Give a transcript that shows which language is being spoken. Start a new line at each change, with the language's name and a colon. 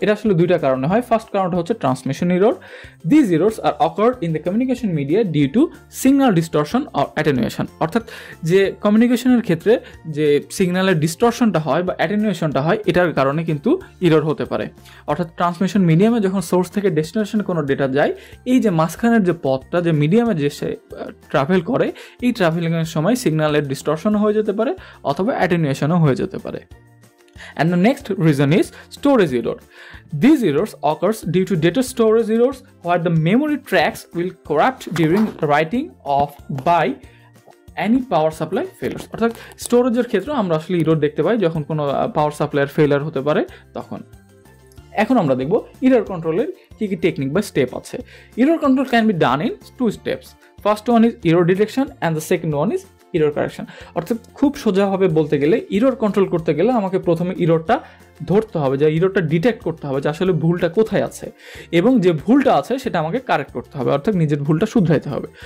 Bangla: এটা আসলে দুইটা কারণে হয়, ফার্স্ট কারণটা হচ্ছে transmission error.
English: these errors are occurred in the communication media due to signal distortion or attenuation,
Bangla: অর্থাৎ যে কমিউনিকেশনের ক্ষেত্রে যে সিগনালের ডিস্টরশনটা হয় বা অ্যাটেনুয়েশনটা হয় এটার কারণে কিন্তু ইরর হতে পারে। অর্থাৎ ট্রান্সমিশন মিডিয়ামে যখন সোর্স থেকে ডেস্টিনেশন কোনো ডেটা যায় এই যে মাঝখানের যে পথটা যে মিডিয়ামে যে সে ট্রাভেল করে এই ট্রাভেলিংয়ের সময় সিগনালের ডিস্টরশনও হয়ে যেতে পারে অথবা অ্যাটেনুয়েশনও হয়ে যেতে পারে।
English: And the next reason is storage error. These errors occurs due to data storage errors where the memory tracks will corrupt during writing of by any power supply failures.
Bangla: অর্থাৎ স্টোরেজের ক্ষেত্রে আমরা আসলে ইরর দেখতে পাই যখন কোনো পাওয়ার সাপ্লাইয়ের ফেলার হতে পারে তখন। এখন আমরা দেখব ইরর কন্ট্রোলের কী কী টেকনিক বা স্টেপ আছে।
English: Error control can be done in two steps, first one is error detection and the second one is error correction.
Bangla: অর্থাৎ খুব সোজাভাবে বলতে গেলে এরর কন্ট্রোল করতে গেলে আমাকে প্রথমে এররটা ধরতে হবে, যে এররটা ডিটেক্ট করতে হবে যে আসলে ভুলটা কোথায় আছে, এবং যে ভুলটা আছে সেটা আমাকে কারেক্ট করতে হবে, অর্থাৎ নিজের ভুলটা শুধরাইতে হবে।